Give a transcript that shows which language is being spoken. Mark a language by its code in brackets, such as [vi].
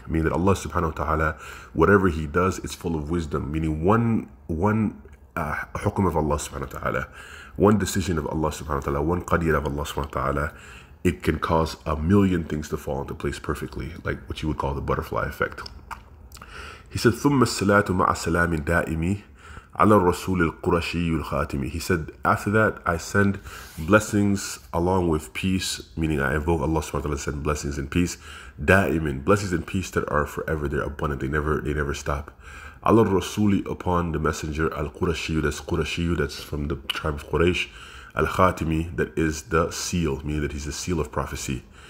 [en] Meaning that Allah subhanahu wa ta'ala, whatever he does, it's full of wisdom. Meaning one hukum of Allah subhanahu wa ta'ala, one decision of Allah subhanahu wa ta'ala, one qadir of Allah subhanahu wa ta'ala, it can cause a million things to fall into place perfectly, like what you would call the butterfly effect. He said, [ar] ثُمَّ السَّلَاةُ مَعَ السَّلَامِ دَائِمِي عَلَى الرَّسُولِ الْقُرَشِيُّ الْخَاتِمِ. [en] He said, after that, I send blessings along with peace, meaning I invoke Allah subhanahu wa ta'ala to send blessings and peace, دَائِمٍ, blessings and peace that are forever, they're abundant, they never stop. [ar] عَلَى الرَّسُولِ, [en] upon the messenger, الْقُرَشِيُّ, that's from the tribe of Quraysh, Al-Khatimi, that is the seal, meaning that he's the seal of prophecy.